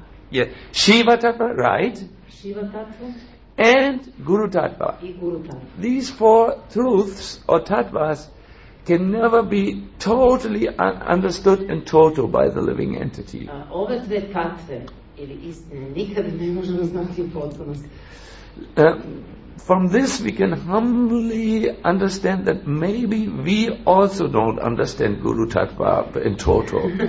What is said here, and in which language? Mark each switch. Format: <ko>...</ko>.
<en>Yeah, Shiva tattva, right? Shiva tattva. And Guru tattva. Guru tattva. These four truths or tattvas can never be totally understood in total by the living entity.</en> <sr>Ove dve tatve ili istine nikad ne možemo znati u potpunosti.</sr> <en>From this we can humbly understand that maybe we also don't understand Guru Tattva in total.</en>